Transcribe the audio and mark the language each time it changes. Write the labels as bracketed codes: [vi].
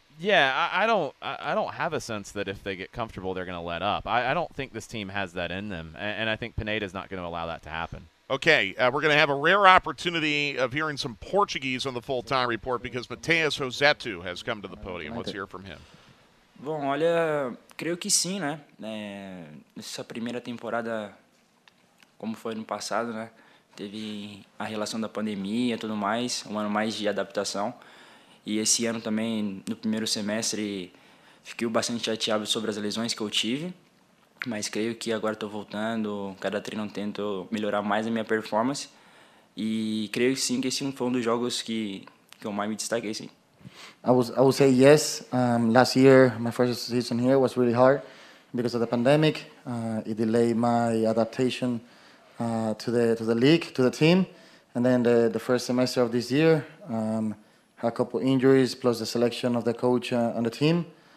[en] Yeah, I don't have a sense that if they get comfortable, they're going to let up. I don't think this team has that in them, and I think Pineda's not going to allow that to happen. Okay, we're going to have a rare opportunity of hearing some Portuguese on the full-time report because Mateus Roseto has come to the podium. Let's hear from him. [pt] Bom, olha, creio que sim, né? Essa primeira temporada, como foi no passado, né? Teve a relação da pandemia e tudo mais, um ano mais de adaptação. E esse ano também, no primeiro semestre, fiquei bastante chateado sobre as lesões que eu tive. Mas creio que agora estou voltando, cada treino tento melhorar mais a minha performance. E creio sim que esse foi um dos jogos que eu mais me destaquei, sim. [en] I would say yes. Last year, my first season here was really hard because of the pandemic. It delayed my adaptation to the league, to the team. And then the first semester of this year, had a couple injuries plus the selection of the coach on the team.